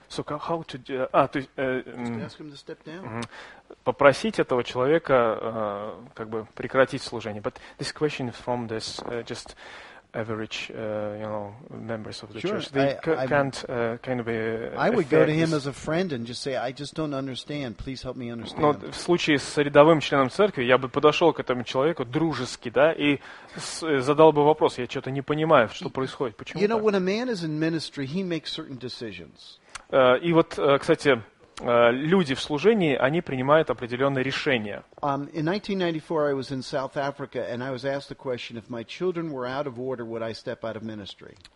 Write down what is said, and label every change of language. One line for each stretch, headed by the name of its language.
English: So how to
Russian: попросить этого человека как бы прекратить служение.
English: But this question is from this just average you know members of the church. They I would go to him as a friend and just say, I just don't understand. Please help me understand.
Russian: Но в случае с рядовым членом церкви я бы подошел к этому человеку дружески, да, и задал бы вопрос. Я что-то не понимаю, что происходит, почему.
English: You know, when a man is in ministry, he makes certain decisions.
Russian: И вот, кстати, люди в служении, они принимают определенные решения.
English: In 1994 I was in South Africa and I was asked the question, if my children were out of order, would I step out of ministry?